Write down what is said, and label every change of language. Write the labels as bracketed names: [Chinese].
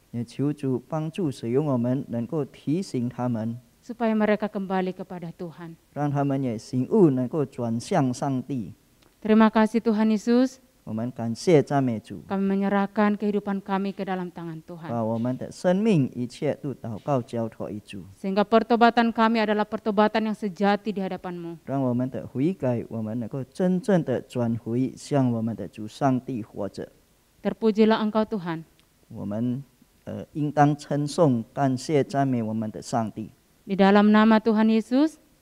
[Chinese] 也求主帮助使用我们能够提醒他们。 [Indonesian] Supaya mereka kembali kepada Tuhan. [Chinese] 让他们也醒悟能够转向上帝。 [Indonesian] Terima kasih Tuhan Yesus. [Chinese] 我们感谢赞美主。 [Indonesian] Kami menyerahkan kehidupan kami ke dalam tangan Tuhan. [Chinese] 把我们的生命一切都祷告交托于主。 [Indonesian] Sehingga pertobatan kami adalah pertobatan yang sejati di hadapanmu. [Chinese] 让我们的悔改，我们能够真正的转回向我们的主上帝活着。 [Indonesian] Terpujilah engkau Tuhan. [Chinese] 我们 应当称颂、感谢、赞美我们的上帝。 [Indonesian] Di dalam nama Tuhan Yesus,